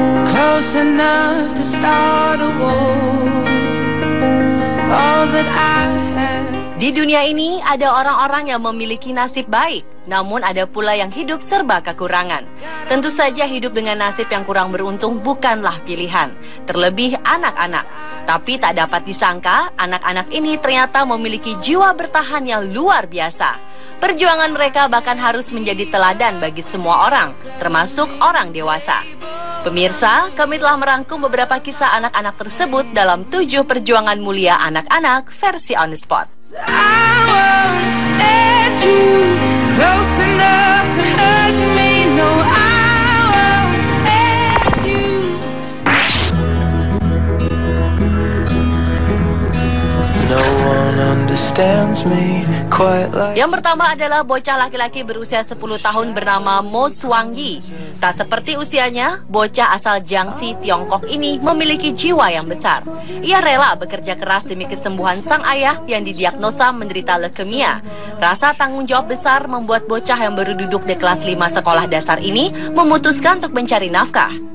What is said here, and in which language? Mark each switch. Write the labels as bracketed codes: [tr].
[en] close enough to start a war. All that I have. [id] Di dunia ini ada orang-orang yang memiliki nasib baik, namun ada pula yang hidup serba kekurangan. Tentu saja hidup dengan nasib yang kurang beruntung bukanlah pilihan, terlebih anak-anak. Tapi tak dapat disangka, anak-anak ini ternyata memiliki jiwa bertahan yang luar biasa. Perjuangan mereka bahkan harus menjadi teladan bagi semua orang, termasuk orang dewasa. Pemirsa, kami telah merangkum beberapa kisah anak-anak tersebut dalam 7 perjuangan mulia anak-anak versi On The Spot. [en] I won't let you close enough to hurt me. No, I won't let you. No one understands me quite like. [id] Yang pertama adalah bocah laki-laki berusia 10 tahun bernama Mo Suang Yi. Tak seperti usianya, bocah asal Jiangxi, Tiongkok ini memiliki jiwa yang besar. Ia rela bekerja keras demi kesembuhan sang ayah yang didiagnosa menderita leukemia. Rasa tanggung jawab besar membuat bocah yang baru duduk di kelas 5 sekolah dasar ini memutuskan untuk mencari nafkah.